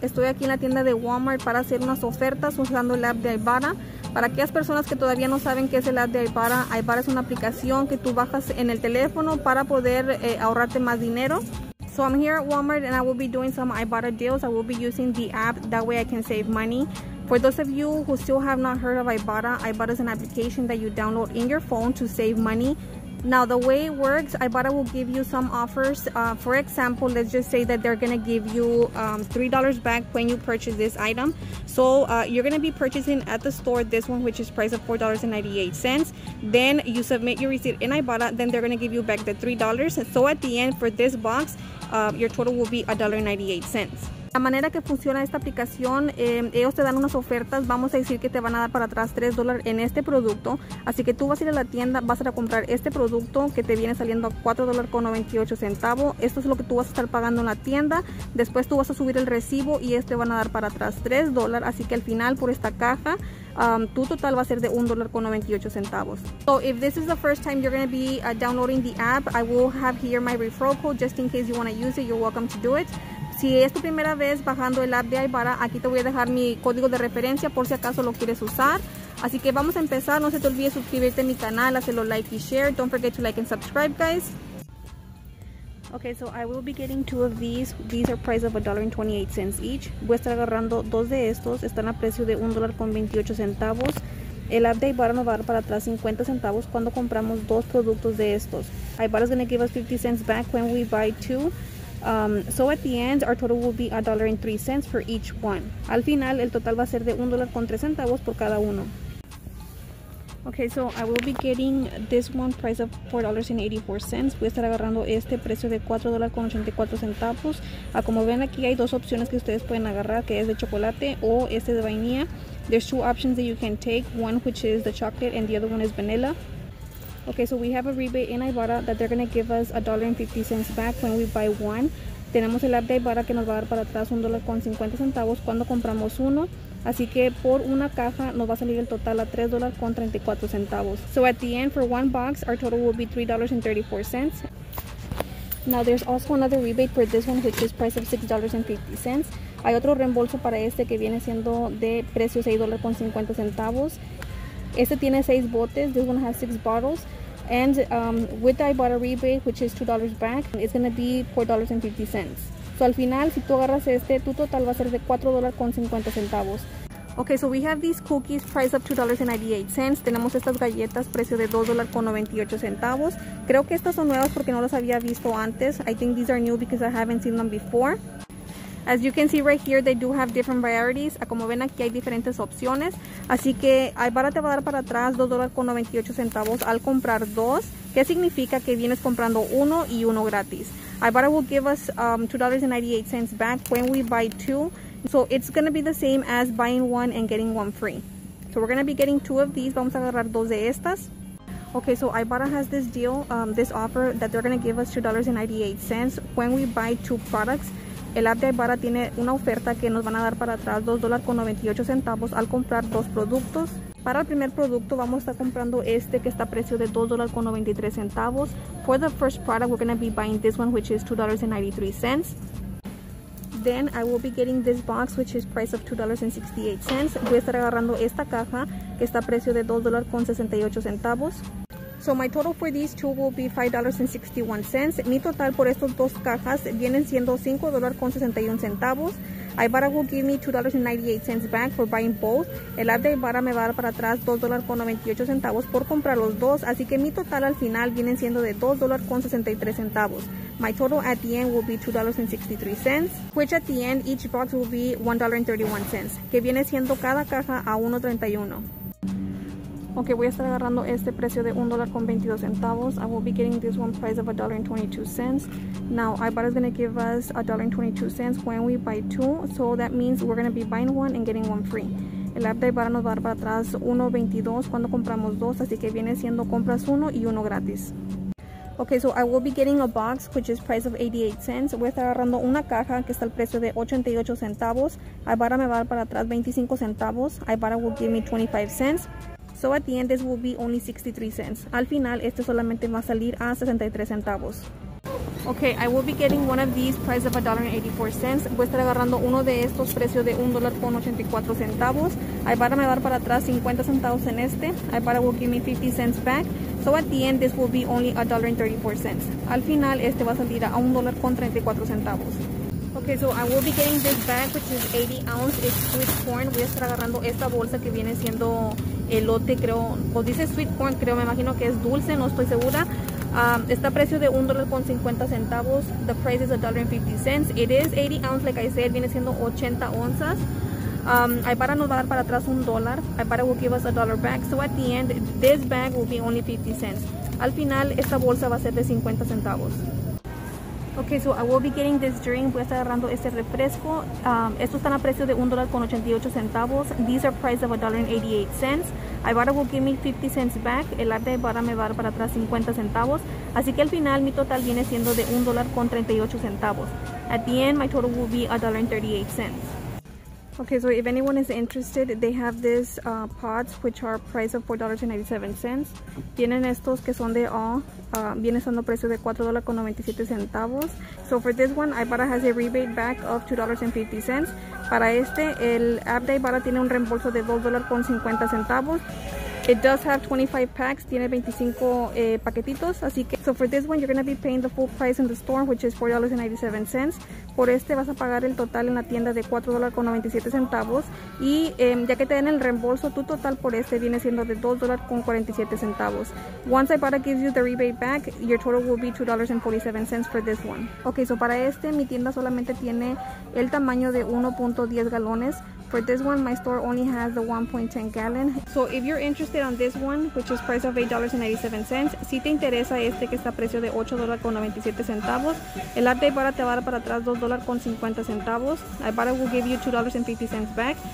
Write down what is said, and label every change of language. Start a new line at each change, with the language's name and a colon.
Spanish: Estoy aquí en la tienda de Walmart para hacer unas ofertas usando el app de Aybara. Para aquellas personas que todavía no saben qué es el app de Aybara, Aybara es una aplicación que tú bajas en el teléfono para poder ahorrarte más dinero.
English: So I'm here at Walmart and I will be doing some Aybara deals. I will be using the app, that way I can save money. For those of you who still have not heard of Aybara, Aybara is an application that you download in your phone to save money. Now, the way it works, Aybara will give you some offers. For example, let's just say that they're gonna give you $3 back when you purchase this item. So you're gonna be purchasing at the store this one, which is priced at $4.98. Then you submit your receipt in Aybara, then they're gonna give you back the $3. So at the end for this box, your total will be $1.98.
Spanish: La manera que funciona esta aplicación, ellos te dan unas ofertas, vamos a decir que te van a dar para atrás $3 en este producto, así que tú vas a ir a la tienda, vas a ir a comprar este producto que te viene saliendo a $4.98, esto es lo que tú vas a estar pagando en la tienda, después tú vas a subir el recibo y este van a dar para atrás $3, así que al final por esta caja, tu total va a ser de $1.98.
English: So if this is the first time you're going to be downloading the app, I will have here my referral code just in case you want to use it, you're welcome to do it.
Spanish: Si es tu primera vez bajando el app de Aybara, aquí te voy a dejar mi código de referencia por si acaso lo quieres usar. Así que vamos a empezar. No se te olvide suscribirte a mi canal, hacerlo like y share.
English: Don't forget to like and subscribe, guys. Okay, so I will be getting two of these. These are priced of $1.28 each.
Spanish: Voy a estar agarrando dos de estos. Están a precio de $1.28. El app de Aybara nos va a dar para atrás 50 centavos cuando compramos dos productos de estos.
English: Aybara is going to give us 50 cents back when we buy two. So at the end, our total will be $1.03 for each one.
Spanish: Al final, el total va a ser de $1.03 por cada uno.
English: Okay, so I will be getting this one price of $4.84.
Spanish: Voy a estar agarrando este precio de $4.84. Como ven aquí, hay dos opciones que ustedes pueden agarrar, que es de chocolate o este de vainilla.
English: There's two options that you can take, one which is the chocolate and the other one is vanilla. Okay, so we have a rebate in Aybara that they're going to give us $1.50 back when we buy one.
Spanish: Tenemos el app de Aybara que nos va a dar para atrás $1.50 cuando compramos uno. Así que por una caja nos va a salir el total a $3.34.
English: So at the end, for one box, our total will be $3.34. Now there's also another rebate for this one, which is price of $6.50.
Spanish: Hay otro reembolso para este que viene siendo de precio $6.50. Este tiene 6 botes,
English: this one has 6 bottles, and with the Aybara rebate, which is $2 back, it's going to be $4.50.
Spanish: So al final, si tú agarras este, tu total va a ser de $4.50.
English: Okay, so we have these cookies, price of $2.98.
Spanish: Tenemos estas galletas, precio de $2.98. Creo que estas son nuevas porque no las había visto antes.
English: I think these are new because I haven't seen them before. As you can see right here, they do have different varieties.
Spanish: Como ven aquí hay diferentes opciones. Así que Aybara te va a dar para atrás $2.98 al comprar dos. ¿Qué significa? Que vienes comprando uno y uno gratis.
English: Aybara will give us $2.98 back when we buy two. So it's going to be the same as buying one and getting one free. So we're going to be getting two of these.
Spanish: Vamos a agarrar dos de estas.
English: Okay, so Aybara has this deal, this offer that they're going to give us $2.98 when we buy two products.
Spanish: El app de Aybara tiene una oferta que nos van a dar para atrás $2.98 al comprar dos productos. Para el primer producto vamos a estar comprando este que está a precio de $2.93.
English: For the first product, we're going to be buying this one, which is $2.93. Then I will be getting this box, which is price of $2.68.
Spanish: Voy a estar agarrando esta caja que está a precio de $2.68.
English: So my total for these two will be $5.61.
Spanish: Mi total por estos dos cajas vienen siendo $5.61.
English: Aybara will give me $2.98 back for buying both.
Spanish: El app de Aybara me va a dar para atrás $2.98 por comprar los dos. Así que mi total al final vienen siendo de $2.63.
English: My total at the end will be $2.63, which at the end each box will be $1.31,
Spanish: que viene siendo cada caja a $1.31. Ok, voy a estar agarrando este precio de $1.22.
English: I will be getting this one price of $1.22. Now, Aybara is going to give us $1.22 when we buy two. So that means we're going to be buying one and getting one free.
Spanish: El app de Aybara nos va a dar para atrás $1.22 cuando compramos dos. Así que viene siendo compras uno y uno gratis.
English: Ok, so I will be getting a box which is price of $0.88.
Spanish: Voy a estar agarrando una caja que está al precio de $0.88. Aybara me va a dar para atrás $0.25.
English: Aybara will give me $0.25. So at the end, this will be only $0.63.
Spanish: Al final, este solamente va a salir a $0.63.
English: Okay, I will be getting one of these price of $1.84.
Spanish: Voy a estar agarrando uno de estos precio de $1.84. Ibarra me va a dar para atrás 50 centavos en este.
English: Ibarra will give me 50 cents back. So at the end, this will be only $1.34.
Spanish: Al final, este va a salir a $1.34.
English: Okay, so I will be getting this bag, which is 80 ounce. It's sweet corn.
Spanish: Voy a estar agarrando esta bolsa que viene siendo elote, creo. O dice sweet corn, creo. Me imagino que es dulce, no estoy segura. Está a precio de $1.50.
English: The price is $1.50. It is 80 ounce, like I said.
Spanish: Viene siendo 80 onzas. Ibarra nos va a dar para atrás $1.
English: Ibarra will give us $1 back. So at the end, this bag will be only 50 cents.
Spanish: Al final, esta bolsa va a ser de 50 centavos.
English: Okay, so I will be getting this drink.
Spanish: Voy a estar agarrando este refresco. Estos están a precio de $1.88.
English: These are priced at $1.88. Ibarra will give me 50 cents back.
Spanish: El arte de Ibarra me va a dar para atrás 50 centavos. Así que al final mi total viene siendo de $1.38.
English: At the end, my total will be $1.38. Okay, so if anyone is interested, they have this pots, which are priced at $4.97.
Spanish: Tienen estos que son de all. Viene siendo precio de $4.97.
English: So for this one, Ibarra has a rebate back of $2.50.
Spanish: Para este, el app de Ibarra tiene un reembolso de $2.50.
English: It does have 25 packs.
Spanish: Tiene 25 paquetitos. Así que,
English: so for this one, you're going to be paying the full price in the store, which is $4.97.
Spanish: Por este vas a pagar el total en la tienda de $4.97. Y ya que te den el reembolso, tu total por este viene siendo de $2.47.
English: Once Ibarra gives you the rebate back, your total will be $2.47 for this one.
Spanish: Ok, so para este, mi tienda solamente tiene el tamaño de 1.10 galones.
English: For this one, my store only has the 1.10 gallon. So if you're interested on this one, which is price of $8.97,
Spanish: si te interesa este que está a precio de $8.97, el app de Ibarra te va a dar para atrás $2.50.
English: Ibarra will give you $2.50 back.